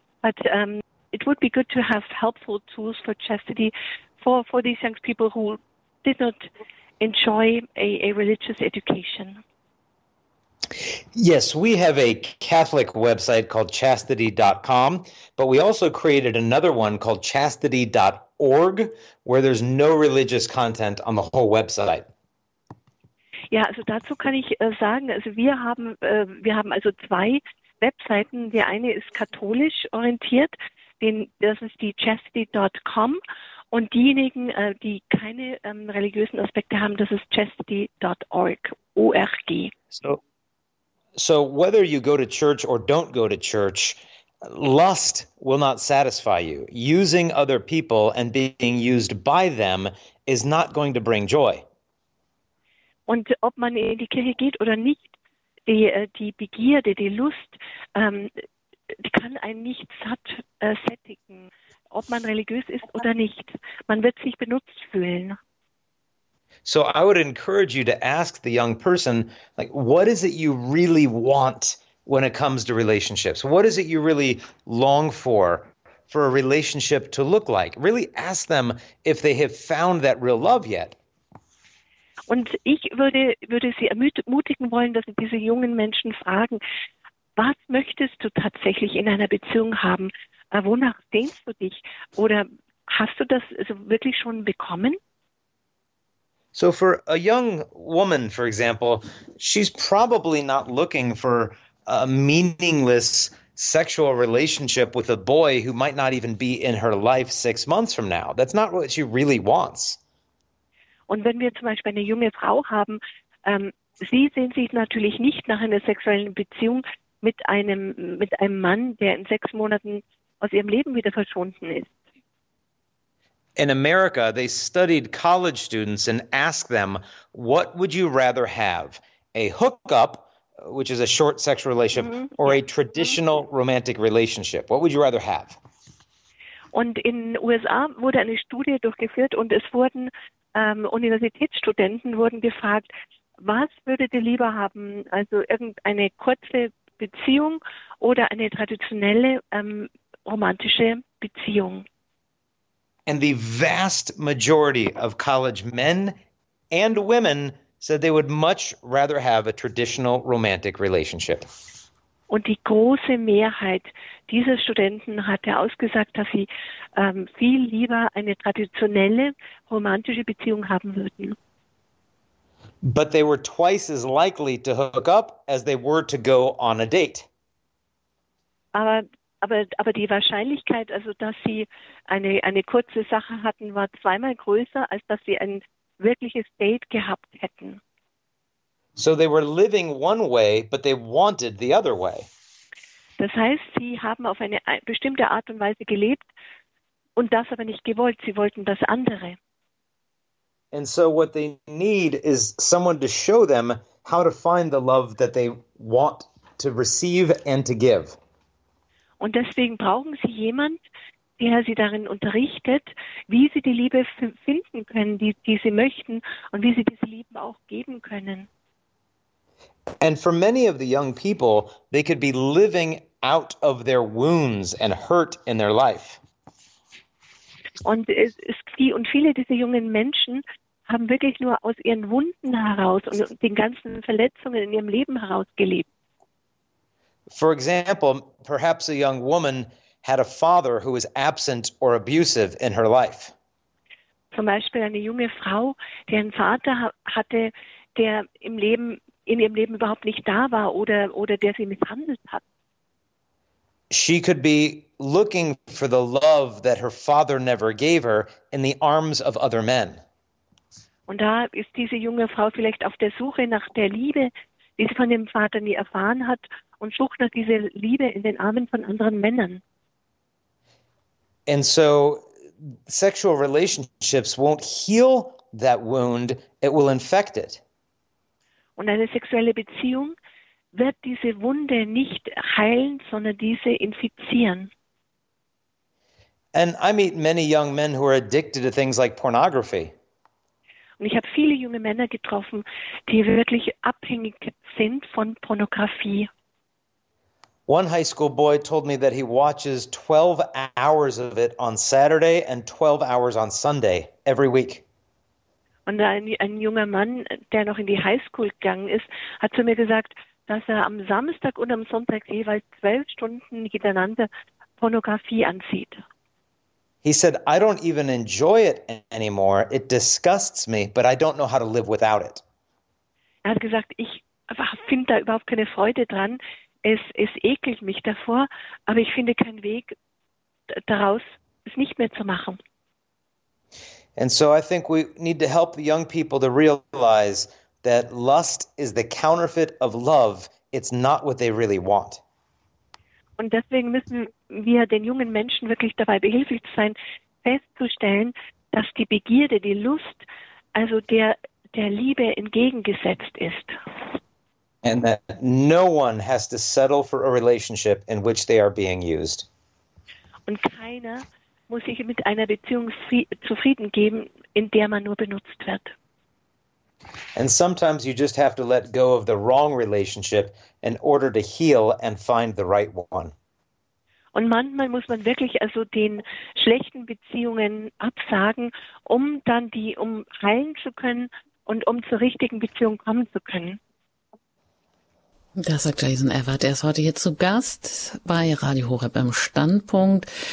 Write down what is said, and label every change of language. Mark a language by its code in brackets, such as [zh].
[en] But it would be good to have helpful tools for chastity for these young people who did not enjoy a religious education. Yes, we have a Catholic website called chastity.com, but we also created another one called chastity.org, where there's no religious content on the whole website. [de] Ja, also dazu kann ich sagen, also wir haben also zwei Webseiten. Die eine ist katholisch orientiert, das ist die chastity.com, und diejenigen, die keine religiösen Aspekte haben, das ist chastity.org, O-R-G. [en] So whether you go to church or don't go to church, lust will not satisfy you. Using other people and being used by them is not going to bring joy. [de] Und ob man in die Kirche geht oder nicht, die Begierde, die Lust, die kann einen nicht sättigen. Ob man religiös ist oder nicht, man wird sich benutzt fühlen. [en] So I would encourage you to ask the young person, like, what is it you really want when it comes to relationships? What is it you really long for a relationship to look like? Really ask them if they have found that real love yet. [de] Und ich würde Sie ermutigen wollen, dass Sie diese jungen Menschen fragen, was möchtest du tatsächlich in einer Beziehung haben? Wonach sehnst du dich? Oder hast du das also wirklich schon bekommen? [en] So for a young woman, for example, she's probably not looking for a meaningless sexual relationship with a boy who might not even be in her life 6 months from now. That's not what she really wants. [de] Und wenn wir zum Beispiel eine junge Frau haben, sie sehen sich natürlich nicht nach einer sexuellen Beziehung mit einem Mann, der in 6 Monaten aus ihrem Leben wieder verschwunden ist. [en] In America, they studied college students and asked them, what would you rather have, a hookup, which is a short sexual relationship, mm-hmm. or a traditional mm-hmm. romantic relationship? What would you rather have? [de] Und in USA wurde eine Studie durchgeführt und es wurden Universitätsstudenten wurden gefragt, was würdet ihr lieber haben, also irgendeine kurze Beziehung oder eine traditionelle romantische Beziehung? [en] And the vast majority of college men and women said they would much rather have a traditional romantic relationship. [de] Und die große Mehrheit dieser Studenten hat ja ausgesagt, dass sie viel lieber eine traditionelle romantische Beziehung haben würden. [en] But they were twice as likely to hook up as they were to go on a date. [de] Aber die Wahrscheinlichkeit, also dass sie eine kurze Sache hatten, war zweimal größer, als dass sie ein wirkliches Date gehabt hätten. [en] So they were living one way, but they wanted the other way. [de] Das heißt, sie haben auf eine bestimmte Art und Weise gelebt und das aber nicht gewollt. Sie wollten das andere. [en] And so what they need is someone to show them how to find the love that they want to receive and to give. [de] Und deswegen brauchen sie jemand, der sie darin unterrichtet, wie sie die Liebe finden können, die sie möchten und wie sie diese Liebe auch geben können. [en] And for many of the young people, they could be living out of their wounds and hurt in their life. [de] Und viele dieser jungen Menschen haben wirklich nur aus ihren Wunden heraus und den ganzen Verletzungen in ihrem Leben heraus gelebt. [en] For example, perhaps a young woman had a father who was absent or abusive in her life. [de] Zum Beispiel eine junge Frau, deren Vater hatte, der in ihrem Leben überhaupt nicht da war oder der sie misshandelt hat. [en] She could be looking for the love that her father never gave her in the arms of other men. [de] Und da ist diese junge Frau vielleicht auf der Suche nach der Liebe, die sie von dem Vater nie erfahren hat, und sucht nach dieser Liebe in den Armen von anderen Männern. [en] And so sexual relationships won't heal that wound, it will infect it. [de] Und eine sexuelle Beziehung wird diese Wunde nicht heilen, sondern diese infizieren. [en] And I meet many young men who are addicted to things like pornography. [de] Und ich habe viele junge Männer getroffen, die wirklich abhängig sind von Pornografie. [en] One high school boy told me that he watches 12 hours of it on Saturday and 12 hours on Sunday every week. [de] Und ein junger Mann, der noch in die High School gegangen ist, hat zu mir gesagt, dass er am Samstag und am Sonntag jeweils 12 Stunden hintereinander Pornografie ansieht. [en] He said, I don't even enjoy it anymore. It disgusts me, but I don't know how to live without it. [de] Er hat gesagt, ich finde da überhaupt keine Freude dran. Es ekelt mich davor, aber ich finde keinen Weg daraus, es nicht mehr zu machen. [en] And so I think we need to help the young people to realize that lust is the counterfeit of love. It's not what they really want. [de] Und deswegen müssen wir den jungen Menschen wirklich dabei behilflich sein, festzustellen, dass die Begierde, die Lust, also der Liebe entgegengesetzt ist. [en] And that no one has to settle for a relationship in which they are being used. [de] Und keiner muss sich mit einer Beziehung zufrieden geben, in der man nur benutzt wird. [en] And sometimes you just have to let go of the wrong relationship in order to heal and find the right one. [de] Und manchmal muss man wirklich also den schlechten Beziehungen absagen, um dann heilen zu können und um zur richtigen Beziehung kommen zu können. Das sagt Jason Evert. Er ist heute hier zu Gast bei Radio Horeb im Standpunkt.